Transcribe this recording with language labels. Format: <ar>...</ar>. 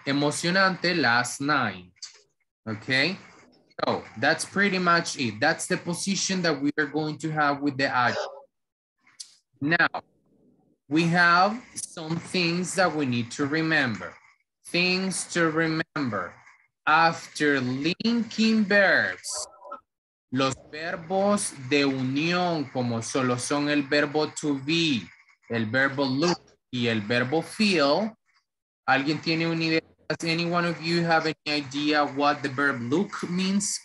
<es>Emocionante</es> <en>last night. Okay, so that's pretty much it. That's the position that we are going to have with the adjective. Now, we have some things that we need to remember. Things to remember. After linking verbs,</en> <es>los verbos de unión, como solo son el verbo to be, el verbo look, y el verbo feel. ¿Alguien tiene una idea?</es> <en>Does anyone of you have any idea what the verb look means?</en>